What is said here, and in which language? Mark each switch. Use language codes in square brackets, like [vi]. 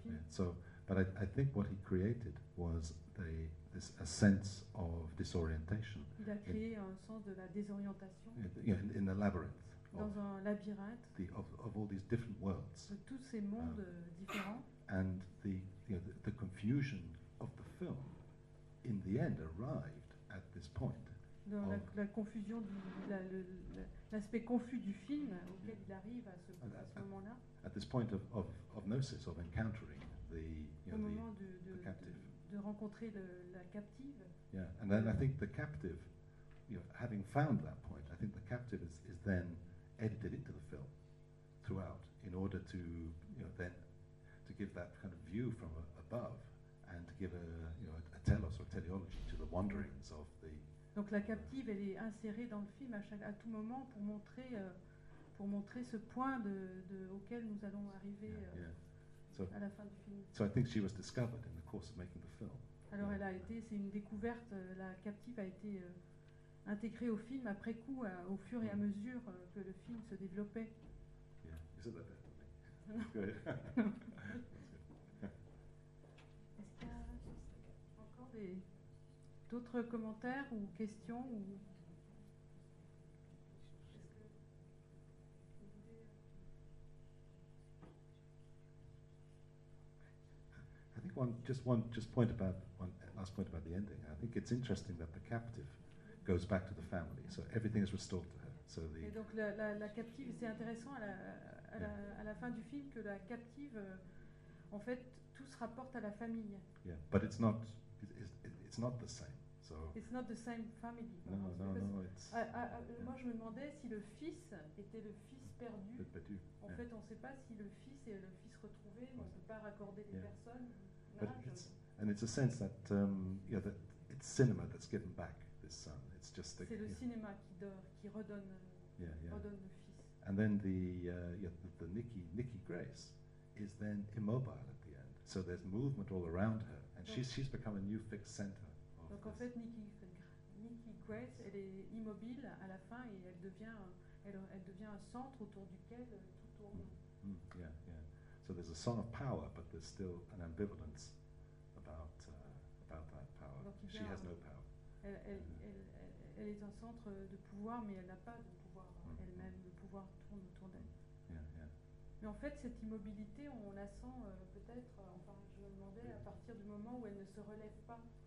[en] So, but I think what he created was a sense of disorientation. [fr] Il a créé un sens de la désorientation. [en] In the labyrinth. [fr] Dans un labyrinthe. [en] Of all these different worlds. [fr] De tous ces mondes différents. [en] And the confusion of the film, in the end, arrived at this point. [fr] Dans la confusion du l'aspect confus du film auquel il arrive à ce moment-là. [en] At this point of gnosis, of encountering the captive. [fr] De rencontrer la captive. [en] Yeah, and then I think the captive, having found that point, I think the captive is then edited into the film throughout in order to then to give that kind of view from above and to give a telos or teleology to the wanderings of the. [fr] Donc la captive, elle est insérée dans le film à tout moment pour montrer. Pour montrer ce point de auquel nous allons arriver à la fin du film. [en] So I think she was discovered in the course of making the film. [fr] Alors elle a été, c'est une découverte, la captive a été intégrée au film après coup, au fur et à mesure que le film se développait. [en] Yeah. Is that [fr] Est-ce qu'il y a encore d'autres commentaires ou questions ou [en] last point about the ending. I think it's interesting that the captive goes back to the family, so everything is restored to her. So the. [fr] Et donc la captive, c'est intéressant à la fin du film que la captive, en fait, tout se rapporte à la famille. [en] Yeah, but it's not the same. So. It's not the same family. No. It's. [fr] Moi, je me demandais si le fils était le fils perdu. Perdu. En fait, on ne sait pas si le fils est le fils retrouvé. Mais on ne peut pas raccorder les personnes. [en] But it's a sense that that it's cinema that's given back this son. It's just [fr] c'est le cinéma qui redonne redonne le fils. [en] And then the Nikki Grace is then immobile at the end. So there's movement all around her, and she's become a new fixed center. [fr] Donc en fait, Nikki Grace, elle est immobile à la fin et elle devient un centre autour duquel tout tourne. [en] So there's a song of power, but there's still an ambivalence about that power. She has no power. [fr] Elle est un centre de pouvoir, mais elle n'a pas de pouvoir elle-même. Le pouvoir tourne autour d'elle. Mais en fait, cette immobilité, on la sent peut-être, enfin, je me demandais, à partir du moment où elle ne se relève pas.